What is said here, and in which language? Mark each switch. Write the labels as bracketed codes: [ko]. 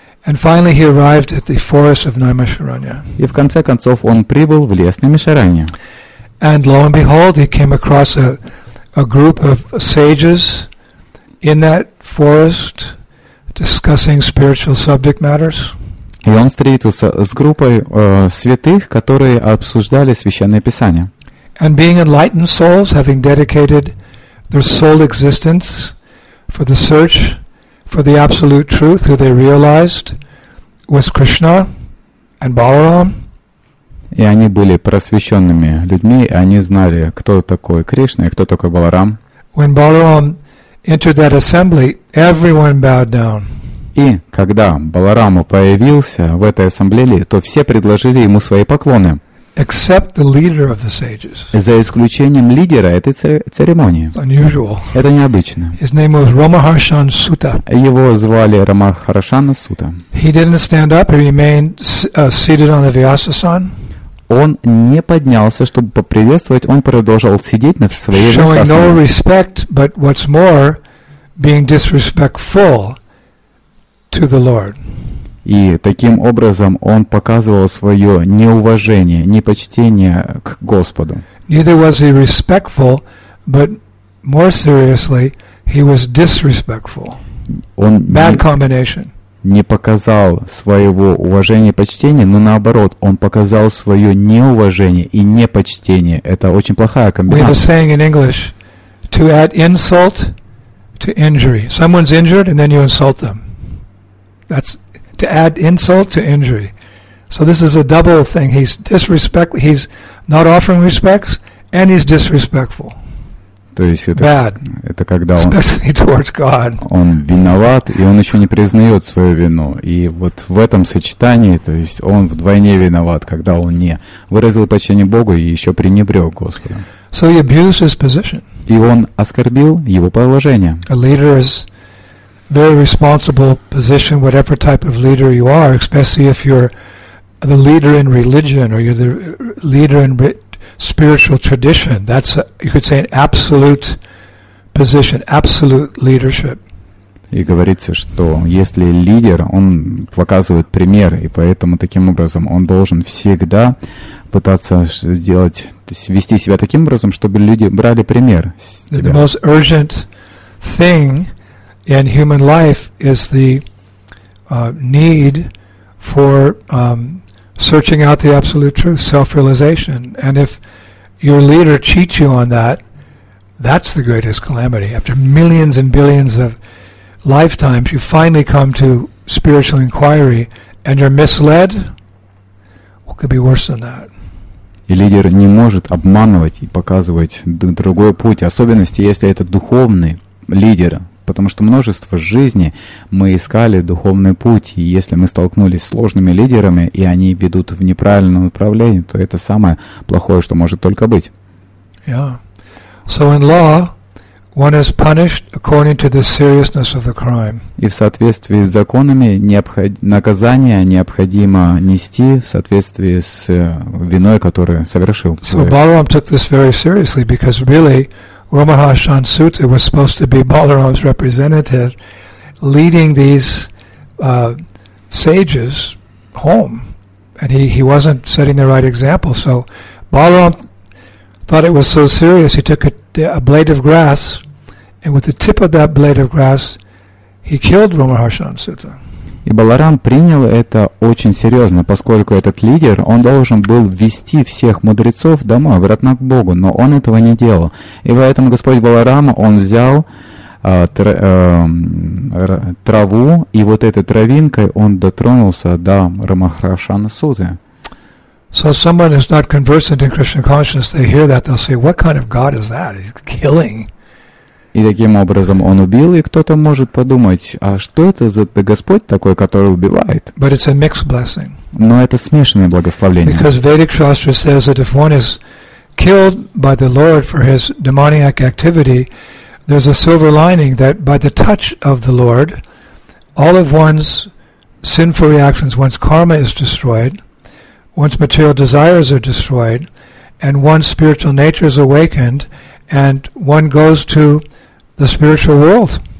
[en] And finally he arrived at the forest of Naimisharanya. [ru] И в конце концов он прибыл в лес Наимишаранья. [en] And lo and behold, he came across a group of sages in that forest discussing spiritual subject matters. [ru] И он встретился с группой святых, которые обсуждали священные писания. [en] And being enlightened souls, having dedicated their soul existence for the search for the absolute truth, who they realized was Krishna and Balaram. [ru] И они были просвещенными людьми, и они знали, кто такой Кришна и кто такой Баларам. [en] When Balaram entered that assembly, everyone bowed down. [ru] И когда Балараму появился в этой ассамблее, то все предложили ему свои поклоны. [en] Except the leader of the sages. [ru] За исключением лидера этой церемонии. [en] It's unusual. [ru] Это необычно. [en] His name was Ramaharshan Sutta. [ru] Его звали Рамахаршана Сута. [en] He didn't stand up. He remained seated on the Vyasasan. [ru] Он не поднялся, чтобы поприветствовать. Он продолжал сидеть на своей Vyasasana. [en] Showing no respect, but what's more, being disrespectful to the Lord. [ru] И таким образом он показывал свое неуважение, непочтение к Господу. [en] Neither was he respectful, but more seriously, he was disrespectful. [ru] Он [en] bad combination. [ru] Не показал своего уважения и почтения, но наоборот, он показал свое неуважение и непочтение. Это очень плохая комбинация. [en] We have a saying in English: to add insult to injury. Someone's injured, and then you insult them. That's to add insult to injury. So this is a double thing. He's disrespect. He's not offering respects, and he's disrespectful. [ru] То есть это, [en] bad. [ru] Это когда он, [en] especially towards God. [ru] Он виноват, и он еще не признает свою вину. И вот в этом сочетании, то есть он вдвойне виноват, когда он не выразил почтение Богу и еще пренебрег Господу. [en] So he abused his position. [ru] И он оскорбил его положение. [en] A leader is very responsible position, whatever type of leader you are, especially if you're the leader in religion or you're the leader in spiritual tradition. That's you could say an absolute position, absolute leadership. [ru] И говорится, что если лидер, он показывает пример, и поэтому таким образом он должен всегда пытаться сделать, вести себя таким образом, чтобы люди брали пример с тебя. [en] The most urgent thing in human life is the need for searching out the absolute truth, self-realization. And if your leader cheats you on that, that's the greatest calamity. After millions and billions of lifetimes, you finally come to spiritual inquiry and you're misled, what could be worse than that? [ru] И лидер не может обманывать и показывать другой путь, особенности, если это духовный лидер. Потому что множество жизни мы искали духовный путь, и если мы столкнулись с сложными лидерами, и они ведут в неправильном направлении, то это самое плохое, что может только быть. [en] Yeah. So in law, one is punished according to the seriousness of the crime. [ru] И в соответствии с законами наказание необходимо нести в соответствии с виной, которую совершил. [en] So Balaram took this very seriously, because really Ramaharshan Sutta was supposed to be Balaram's representative, leading these sages home, and he wasn't setting the right example. So Balaram thought it was so serious, he took a blade of grass, and with the tip of that blade of grass, he killed Ramaharshan Sutta. [ru] И Баларам принял это очень серьезно, поскольку этот лидер, он должен был вести всех мудрецов домой, обратно к Богу, но он этого не делал. И поэтому Господь Баларам, он взял траву, и вот этой травинкой он дотронулся до Рамахаршана Суты. [en] So someone who's not conversant in Krishna consciousness, they hear that, they'll say, what kind of God is that? He's killing. [ru] И таким образом он убил, и кто-то может подумать, а что это за Господь такой, который убивает? [en] But it's a mixed blessing. [ru] Но это смешанное благословение. [en] Because Vedic Shastra says that if one is killed by the Lord for his demoniac activity, there's a silver lining that by the touch of the Lord, all of one's sinful reactions, one's karma is destroyed, one's material desires are destroyed, and one's spiritual nature is awakened, and one goes to the spiritual world.